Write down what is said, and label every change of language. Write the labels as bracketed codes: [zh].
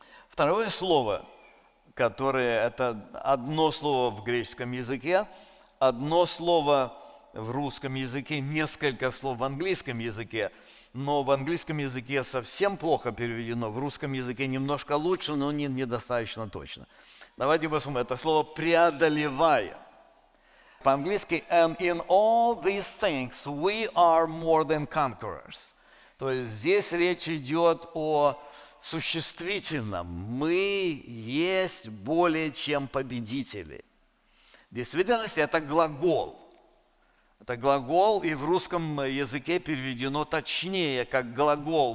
[ru] Второе слово, которое это одно слово в греческом языке, одно слово в русском языке, несколько слов в английском языке, но в английском языке совсем плохо переведено, в русском языке немножко лучше, но недостаточно точно. Давайте посмотрим. Это слово «преодолевая». По-английски [en] «and in all these things we are more than conquerors». [ru] То есть здесь речь идет о существительном. Мы есть более чем победители. В действительности это глагол. Это глагол, и в русском языке переведено точнее, как глагол.